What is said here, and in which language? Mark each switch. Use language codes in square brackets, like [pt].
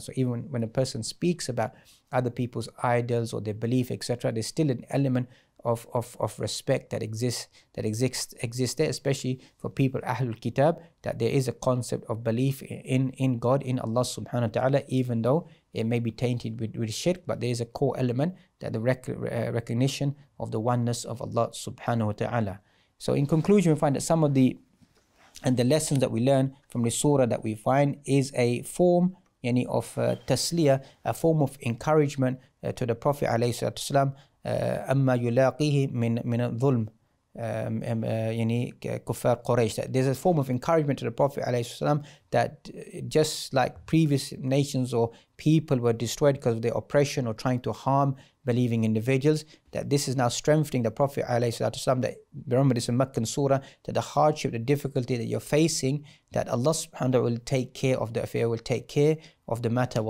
[en] So even when a person speaks about other people's idols or their belief, etc., there's still an element of respect that exists there, especially for people Ahlul Kitab, that there is a concept of belief in God, in Allah subhanahu wa ta'ala, even though it may be tainted with shirk, but there is a core element that the recognition of the oneness of Allah subhanahu wa ta'ala. So in conclusion, we find that some of the lessons that we learn from the surah that we find is a form of tasliya, a form of encouragement to the Prophet alayhi salatu wasalam. [ar] أما يلاقيه من الظلم يعني كفار قريش. [en] There's a form of encouragement to the Prophet عليه السلام that just like previous nations or people were destroyed because of their oppression or trying to harm believing individuals, that this is now strengthening the Prophet عليه السلام, that remember this in Meccan surah, that the hardship, the difficulty that you're facing, that Allah subhanahu wa ta'ala will take care of the affair, will take care of the matter.